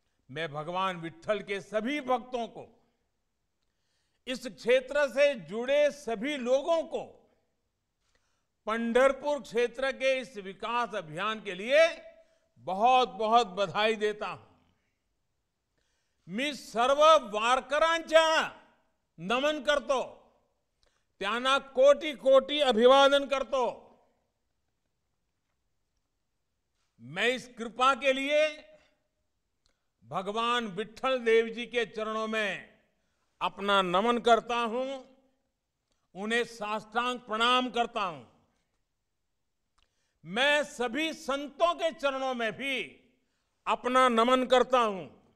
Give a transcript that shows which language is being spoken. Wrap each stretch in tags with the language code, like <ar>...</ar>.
<hi>मैं भगवान विट्ठल के सभी भक्तों को, इस क्षेत्र से जुड़े सभी लोगों को पंढरपुर क्षेत्र के इस विकास अभियान के लिए बहुत बहुत बधाई देता हूं।</hi> <mr>मी सर्व वारकरांच्या नमन करतो, त्यांना कोटी कोटी अभिवादन करतो।</mr> <hi>मैं इस कृपा के लिए भगवान विट्ठल देव जी के चरणों में अपना नमन करता हूं, उन्हें साष्टांग प्रणाम करता हूं। मैं सभी संतों के चरणों में भी अपना नमन करता हूं।</hi>